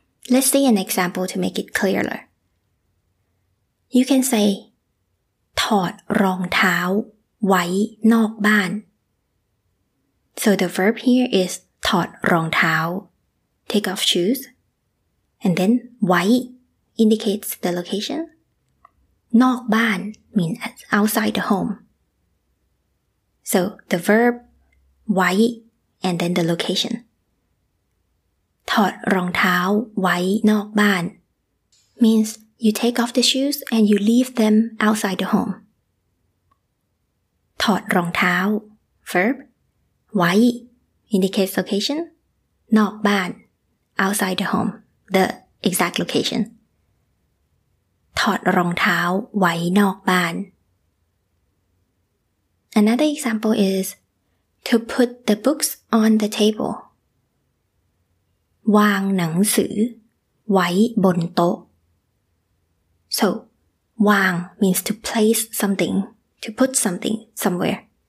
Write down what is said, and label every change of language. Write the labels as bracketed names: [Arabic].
[English] Let's see an example to make it clearer. You can say, [Thai] ถอดรองเท้าไว้นอกบ้าน [English] So the verb here is ถอดรองเท้า Take off shoes And then ไว้ indicates the location นอกบ้าน means outside the home So the verb ไว้ and then the location [Thai] ถอดรองเท้าไว้นอกบ้าน [English] meansYou take off the shoes and you leave them outside the home. ถอดรองเท้า verb ไว้ indicates location นอกบ้าน outside the home the exact location. [Thai] ถอดรองเท้าไว้นอกบ้าน [English] Another example is to put the books on the table. [Thai] วางหนังสือไว้บนโต๊ะ [English] So, wang means to place something, to put something somewhere.